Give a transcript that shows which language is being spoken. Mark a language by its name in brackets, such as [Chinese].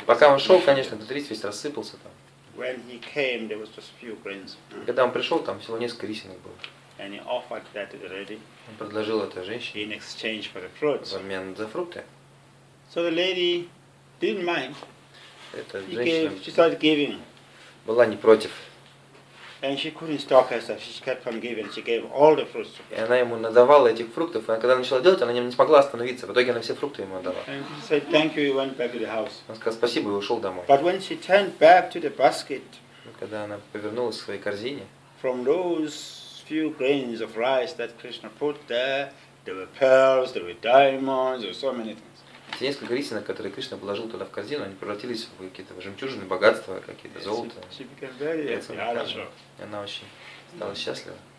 [Russian] Пока он шел, конечно, этот рис весь рассыпался там. [English] When he came, there was just few grains. [Russian] Когда он пришел, там всего несколько рисинок было. [English] And he offered that already. [Russian] Он предложил это женщине. [English] In exchange for the fruits. [Russian] В обмен за фрукты. [English] So the lady didn't mind. [Russian] Эта [English] he [Russian] женщина. [English] Gave, she started giving. [Russian] Была не против. [English] And she couldn't stop herself. She kept on giving. She gave all the fruits. To [Russian] и она ему надавала этих фруктов. И когда начала делать, она не смогла остановиться. В итоге она все фрукты ему отдала. [English] And she said thank you. He went back to the house. [Russian] Он сказал спасибо и ушел домой. [English] But when she turned back to the basket, [Russian] когда она повернулась к своей корзине, [English] from those few grains of rice that Krishna put there, there were pearls, there were diamonds, there were so many things. [Russian] Те несколько рисинок, которые Кришна положил туда в корзину, они превратились в какие-то жемчужины, богатства, какие-то золото. Она очень стала счастлива.